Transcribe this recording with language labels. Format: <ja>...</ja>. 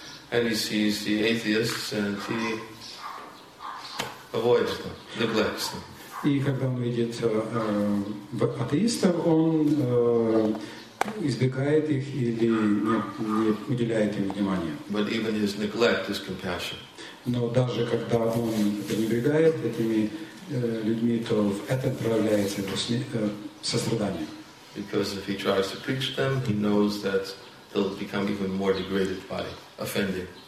<en>And he sees the atheists, and he avoids them, neglects them.</en> <ru>И когда он видит атеистов, он избегает их или не уделяет им внимания.</ru> <en>But even his neglect is compassion.</en> <ru>Но даже когда он пренебрегает этими людьми, то в это проявляется его сострадание.</ru> <en>Because if he tries to preach them, he knows that they'll become even more degraded by offending.</en>